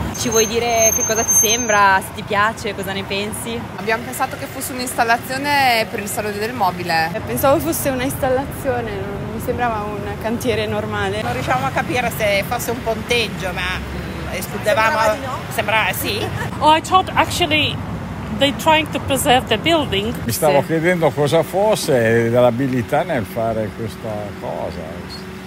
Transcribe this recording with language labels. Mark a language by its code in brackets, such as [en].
[it] Ci vuoi dire che cosa ti sembra, se ti piace, cosa ne pensi? Abbiamo pensato che fosse un'installazione per il salone del mobile. Pensavo fosse un'installazione, non mi sembrava un cantiere normale. Non riusciamo a capire se fosse un ponteggio, ma escludevamo. Sembrava sì. [en] Oh, I thought actually they trying to preserve the building. [it] Mi stavo chiedendo cosa fosse dell'abilità nel fare questa cosa.